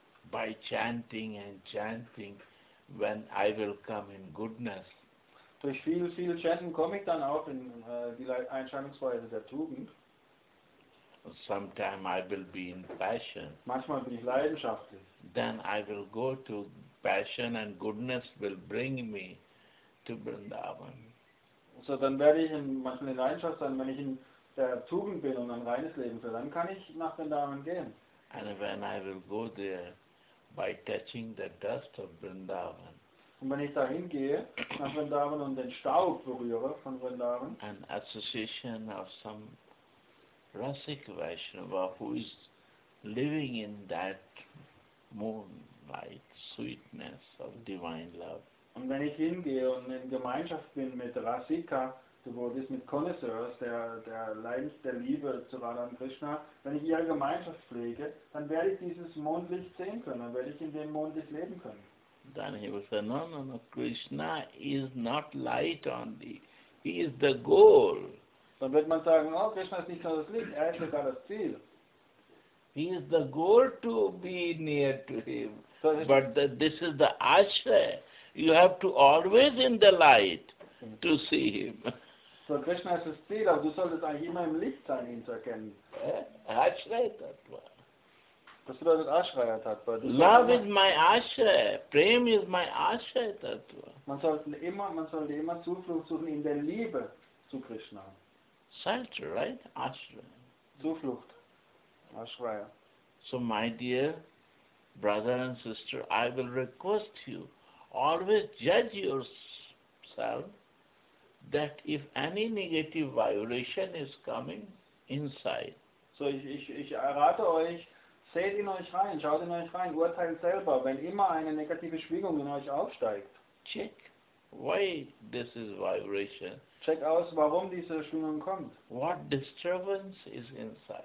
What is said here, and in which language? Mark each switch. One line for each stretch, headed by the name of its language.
English: By chanting and chanting, when I will come in goodness.
German: Durch viel, viel Chanten komme ich dann auch in die Einscheinungsweise der Tugend.
English: Sometime I will be in passion.
German: Manchmal bin ich leidenschaftlich.
English: Then I will go to passion and goodness will bring me to Vrindavan.
German: So dann werde ich in manchmal in Leidenschaft sein, wenn ich in der Tugend bin und ein reines Leben führe, dann kann ich nach Vrindavan gehen.
English: And when I will go there by touching the dust of Vrindavan.
German: Und wenn ich dahin gehe nach Vrindavan und den Staub berühre von Vrindavan.
English: An association of some Rasik Vaishnava who is living in that moonlight sweetness of divine love.
German: Und wenn ich hingehe und in Gemeinschaft bin mit Rasika, wo das mit Connoisseurs, der Leidens der Liebe zu Radha und Krishna, wenn ich ihre Gemeinschaft pflege, dann werde ich dieses Mondlicht sehen können, dann werde ich in dem Mondlicht leben können.
English: Then he will say, no, Krishna is not light only, he is the goal.
German: Dann wird man sagen, oh, Krishna ist nicht nur das Licht, er ist sogar das Ziel.
English: He is the goal to be near to him. So but this is the ashray. You have to always in the light to see him.
German: So Krishna ist das Ziel, aber du solltest eigentlich immer im Licht sein, ihn zu erkennen.
English: Ashray Tattva.
German: Das bedeutet Ashray Tattva.
English: Love is my ashray. Prem is my ashray Tattva.
German: Man sollte immer Zuflucht suchen in der Liebe zu Krishna.
English: Shelter, right? Ashray.
German: Zuflucht. Ashray.
English: So my dear brother and sister, I will request you, always judge yourself that if any negative vibration is coming inside.
German: So ich errate euch, seht in euch rein, schaut in euch rein, urteilt selber, wenn immer eine negative Schwingung in euch aufsteigt.
English: Check. Why this is vibration?
German: Check aus, warum diese Schwingung kommt.
English: What disturbance is inside?